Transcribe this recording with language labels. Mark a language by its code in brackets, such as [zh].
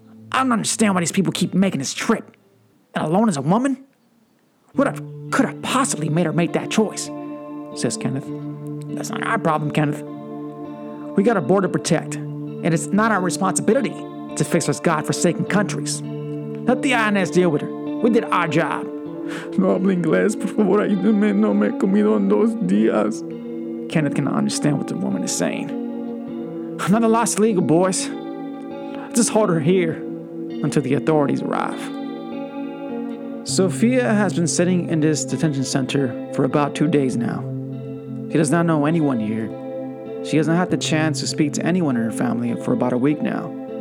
[en] I don't understand why these people keep making this trip. And alone as a woman? What could have possibly made her make that choice? Says Kenneth. That's not our problem, Kenneth. We got a border to protect, and it's not our responsibility to fix those godforsaken countries. Let the INS deal with her. We did our job. [es] No hablo inglés, por favor, ayúdenme, no me he comido en dos días. [en] Kenneth cannot understand what the woman is saying. Another lost illegal, boys. Just hold her here until the authorities arrive. Sophia has been sitting in this detention center for about 2 days now. She does not know anyone here. She has not had the chance to speak to anyone in her family for about a week now.